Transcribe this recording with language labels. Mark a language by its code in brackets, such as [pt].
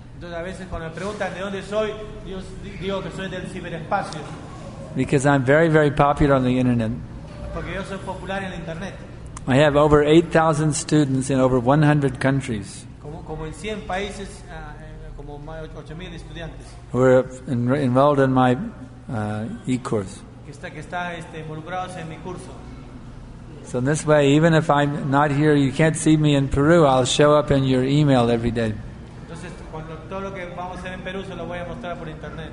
[es] Entonces a veces cuando me preguntan de dónde soy, yo digo que soy del ciberespacio. [en] Because I'm very, very popular on the internet. [es] Porque yo soy popular en internet. [en] I have over 8,000 students in over 100 countries. [es] Como en 100 países, como 8,000 estudiantes. [en] Who are involved in my e-course. [es] Que está involucrados en mi curso. [en] So in this way, even if I'm not here, you can't see me in Peru, I'll show up in your email every day. [es] Entonces, cuando todo lo que vamos a hacer en Perú, se lo voy a mostrar por internet.